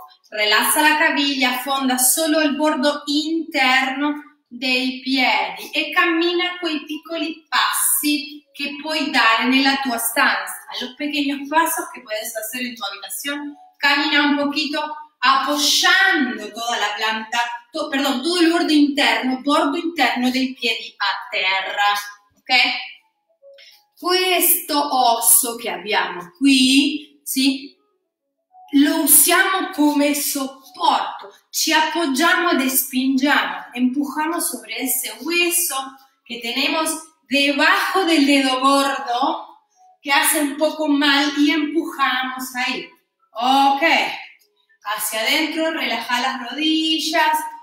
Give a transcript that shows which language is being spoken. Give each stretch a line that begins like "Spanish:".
Italian: Rilassa la caviglia, affonda solo il bordo interno dei piedi e cammina quei piccoli passi che puoi dare nella tua stanza.
Spanish: A los pequeños pasos que puedes hacer en tu habitación, camina un poquito apoyando toda la planta, perdón, todo el bordo interno
Italian: dei piedi a terra,
Spanish: ok?
Italian: Questo osso che abbiamo qui, sì, lo usiamo come supporto, ci appoggiamo e spingiamo,
Spanish: empujamo sobre ese hueso che tenemos debajo del dedo gordo, que hace un poco mal y empujamos ahí. Ok. Hacia adentro, relaja las rodillas.